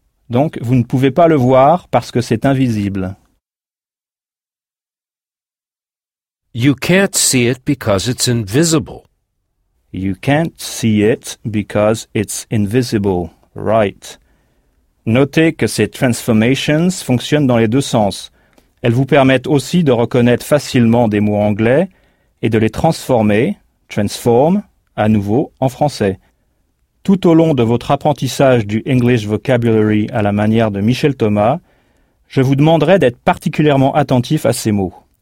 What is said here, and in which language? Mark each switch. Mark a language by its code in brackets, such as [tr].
[fr] Donc, vous ne pouvez pas le voir parce que c'est invisible. [en] You can't see it because it's invisible. You can't see it because it's invisible. Right. [fr] Notez que ces transformations fonctionnent dans les deux sens. Elles vous permettent aussi de reconnaître facilement des mots anglais et de les transformer, transform, à nouveau en français. Tout au long de votre apprentissage du English Vocabulary à la manière de Michel Thomas, je vous demanderai d'être particulièrement attentif à ces mots.